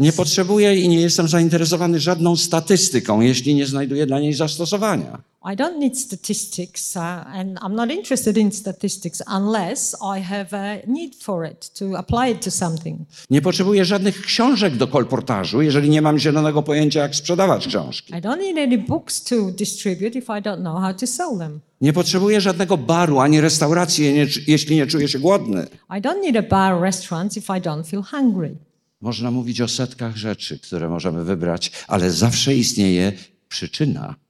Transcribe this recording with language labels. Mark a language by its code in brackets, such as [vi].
[pl] Nie potrzebuję i nie jestem zainteresowany żadną statystyką, jeśli nie znajduję dla niej zastosowania. [en] I don't need statistics and I'm not interested in statistics unless I have a need for it to apply it to something. [pl] Nie potrzebuję żadnych książek do kolportażu, jeżeli nie mam zielonego pojęcia, jak sprzedawać książki. [en] I don't need any books to distribute if I don't know how to sell them. [pl] Nie potrzebuję żadnego baru ani restauracji, jeśli nie czuję się głodny. [en] I don't need a bar or restaurant if I don't feel hungry. [pl] Można mówić o setkach rzeczy, które możemy wybrać, ale zawsze istnieje przyczyna.